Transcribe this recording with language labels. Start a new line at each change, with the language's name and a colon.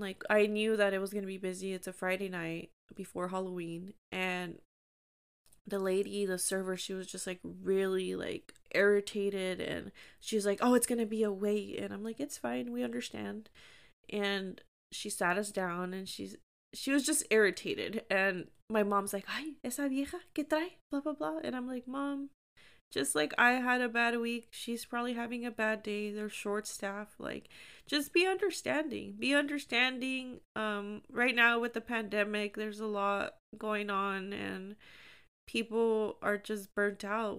English: Like, I knew that it was going to be busy. It's a Friday night before Halloween. And the lady, the server, she was just like really like irritated. And she's like, oh, it's going to be a wait. And I'm like, it's fine. We understand. And she sat us down and she was just irritated. And my mom's like,
Spanish: ay, esa vieja, ¿qué trae?
English: Blah, blah, blah. And I'm like, mom, just like I had a bad week. She's probably having a bad day. They're short staff. Like, just be understanding. Be understanding. Right now with the pandemic, there's a lot going on. And people are just burnt out.